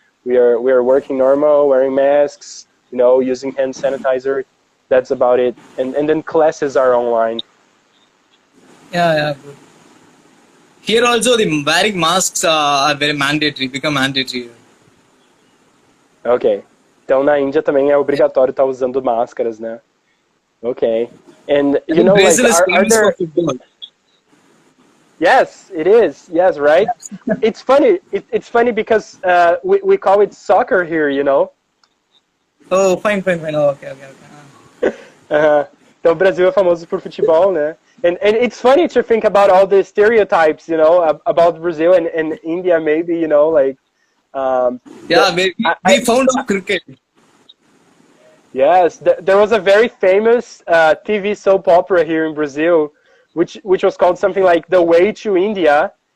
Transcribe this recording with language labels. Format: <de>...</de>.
<en>We are working normal, wearing masks, you know, using hand sanitizer. That's about it. And then classes are online. Yeah. Here also, the wearing masks are very mandatory, become mandatory. Okay.</en> <pt>Então, na Índia também é obrigatório estar usando máscaras, né?</pt> <en>Okay. And, you know, like, are there... Yes, it is. Yes, right? Yes. It's funny. It's funny because we call it soccer here, you know? Oh, fine. Oh, okay.</en> <pt>Então, o Brasil é famoso por futebol, né?</pt> <en>And it's funny to think about all the stereotypes, you know, about Brazil and India, maybe, you know, like... Maybe we found cricket. Yes, there was a very famous TV soap opera here in Brazil, which was called something like The Way to India.</en>